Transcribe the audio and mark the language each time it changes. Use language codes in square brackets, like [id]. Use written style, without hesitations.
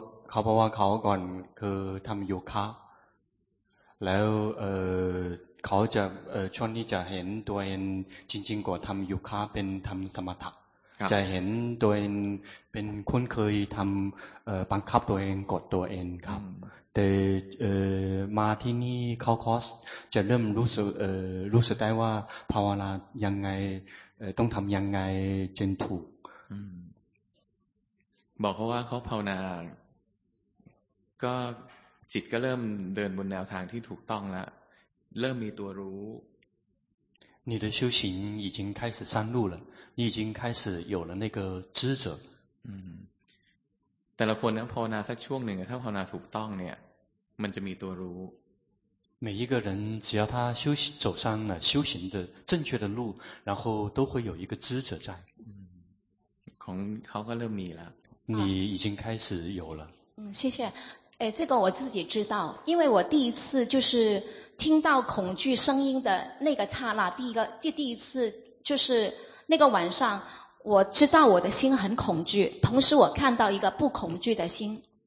[th] เขาบอกว่าเขาก่อนคือทำโยคะแล้วเขาจะช่วงที่จะเห็นตัวเองจริงๆก่อนทำโยคะเป็นทำสมถะจะเห็นตัวเองเป็นคุ้นเคยทำบังคับตัวเองกดตัวเองครับแต่มาที่นี่เขาคอสจะเริ่มรู้สึกได้ว่าภาวนายังไงต้องทำยังไงจึงถูก บอกเขาว่าเขาภาวนาก็จิตก็เริ่มเดินบนแนวทางที่ถูกต้องแล้วเริ่มมีตัวรู้ [zh] 你的修行已经开始上路了，你已经开始有了那个知者。 [th] แต่ละคนนั้นภาวนาสักช่วงหนึ่งถ้าภาวนาถูกต้องเนี่ยมันจะมีตัวรู้ [zh] 每一个人只要他修行走上了修行的正确的路，然后都会有一个知者在。 [th] ของเขาก็เริ่มมีแล้ว [zh] 你已经开始有了。谢谢。哎，这个我自己知道，因为我第一次就是听到恐惧声音的那个刹那，第一次就是那个晚上，我知道我的心很恐惧，同时我看到一个不恐惧的心。